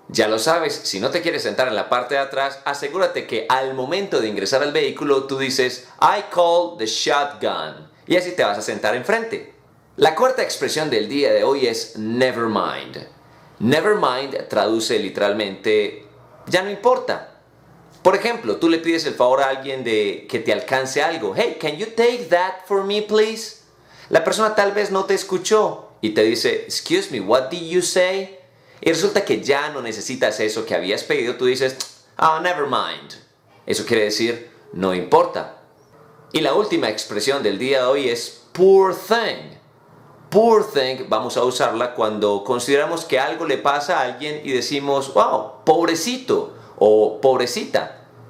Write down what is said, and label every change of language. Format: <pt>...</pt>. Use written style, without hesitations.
<es>Ya lo sabes, si no te quieres sentar en la parte de atrás, asegúrate que al momento de ingresar al vehículo, tú dices,</es> <en>I call the shotgun.</en> <es>y así te vas a sentar enfrente. La cuarta expresión del día de hoy es never mind. Never mind traduce literalmente ya no importa. Por ejemplo, tú le pides el favor a alguien de que te alcance algo.</es> <en>Hey, can you take that for me, please?</en> <es>La persona tal vez no te escuchó y te dice,</es> <en>excuse me, what did you say?</en> <es>Y resulta que ya no necesitas eso que habías pedido. Tú dices,</es> <en>oh, never mind.</en> <es>Eso quiere decir, no importa. Y la última expresión del día de hoy es poor thing. Poor thing vamos a usarla cuando consideramos que algo le pasa a alguien y decimos, wow, pobrecito o pobrecita.</es>